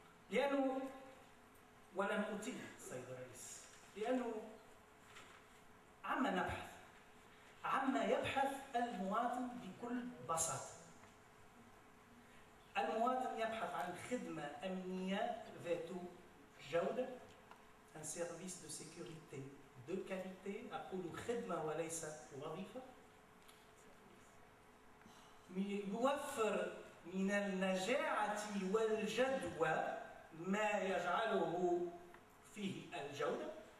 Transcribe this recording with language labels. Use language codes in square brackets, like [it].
[ar] لأنه ولم أتيه سيد الرئيس، لأنه عما نبحث؟ عما يبحث المواطن بكل بساطة؟ المواطن يبحث عن خدمة أمنية ذات جودة، [fr] un service de sécurité de qualité, [ar] أقول خدمة وليس وظيفة. يوفر من النجاعة والجدوى ما يجعله فيه الجودة.